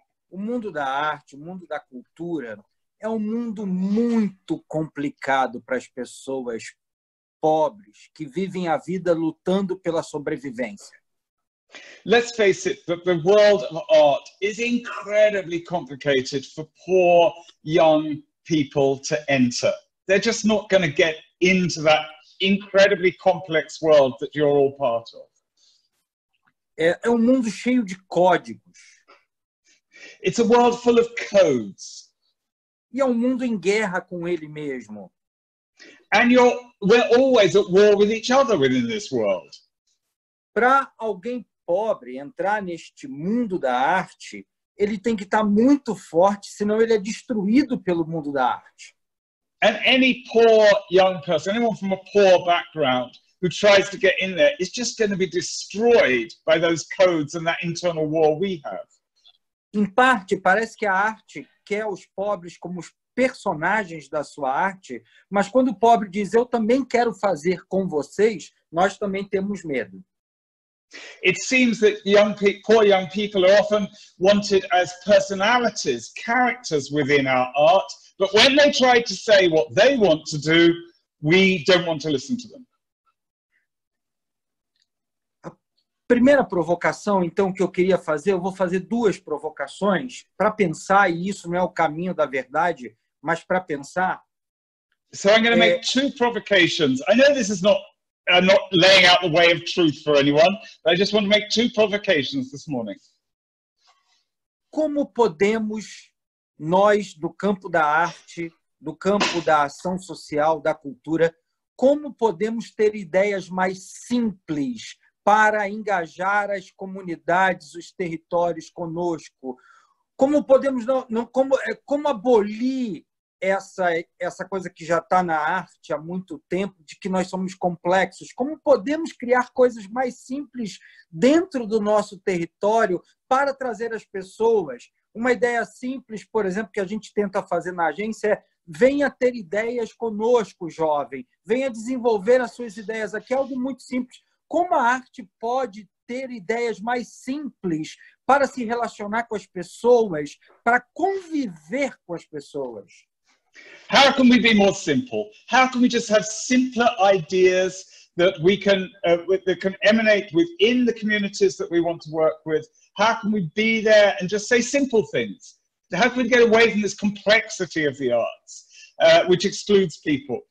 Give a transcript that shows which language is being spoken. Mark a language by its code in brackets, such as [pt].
[pt] O mundo da arte, o mundo da cultura é um mundo muito complicado para as pessoas pobres que vivem a vida lutando pela sobrevivência. [en] Let's face it, but the world of art is incredibly complicated for poor young people to enter. They're just not going to get into that incredibly complex world that you're all part of. [pt] É um mundo cheio de códigos. [en] It's a world full of codes. [pt] E é um mundo em guerra com ele mesmo. [en] And we're always at war with each other within this world. [pt] Para alguém pobre entrar neste mundo da arte, ele tem que estar muito forte, senão ele é destruído pelo mundo da arte. [en] And any poor young person, anyone from a poor background, who tries to get in there, is just going to be destroyed by those codes and that internal war we have. [pt] Em parte, parece que a arte quer os pobres como os personagens da sua arte, mas quando o pobre diz, eu também quero fazer com vocês, nós também temos medo. [en] It seems that poor young people are often wanted as personalities, characters within our art, but when they try to say what they want to do, we don't want to listen to them. [pt] Primeira provocação, então, que eu queria fazer, eu vou fazer duas provocações para pensar, e isso não é o caminho da verdade, mas para pensar. [en] So I'm going to make two provocations. I know this is not laying out the way of truth for anyone, but I just want to make two provocations this morning. [pt] Como podemos nós, do campo da arte, do campo da ação social, da cultura, como podemos ter ideias mais simples para engajar as comunidades, os territórios conosco? Como podemos como abolir essa coisa que já está na arte há muito tempo, de que nós somos complexos? Como podemos criar coisas mais simples dentro do nosso território para trazer as pessoas? Uma ideia simples, por exemplo, que a gente tenta fazer na agência é: venha ter ideias conosco, jovem. Venha desenvolver as suas ideias aqui. É algo muito simples. Como a arte pode ter ideias mais simples para se relacionar com as pessoas, para conviver com as pessoas? [en] How can we be more simple? How can we just have simpler ideas that we can that can emanate within the communities that we want to work with? How can we be there and just say simple things? How can we get away from this complexity of the arts, which excludes people?